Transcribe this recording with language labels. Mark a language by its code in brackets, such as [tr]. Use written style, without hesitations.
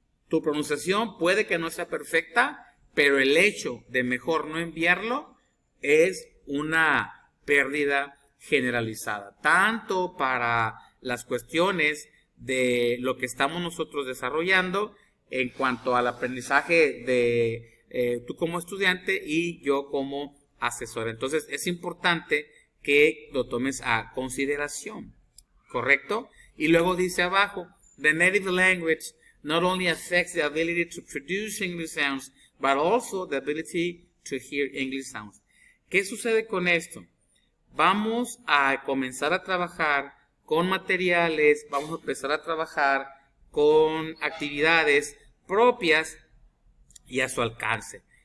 [es] Tu pronunciación puede que no sea perfecta, pero el hecho de mejor no enviarlo es una pérdida generalizada, tanto para las cuestiones de lo que estamos nosotros desarrollando en cuanto al aprendizaje de tú como estudiante y yo como asesor. Entonces, es importante que lo tomes a consideración, ¿correcto? Y luego dice abajo, [en] the native language not only affects the ability to produce English sounds, but also the ability to hear English sounds. [es] ¿Qué sucede con esto? Vamos a comenzar a trabajar con materiales, vamos a empezar a trabajar con actividades propias y a su alcance.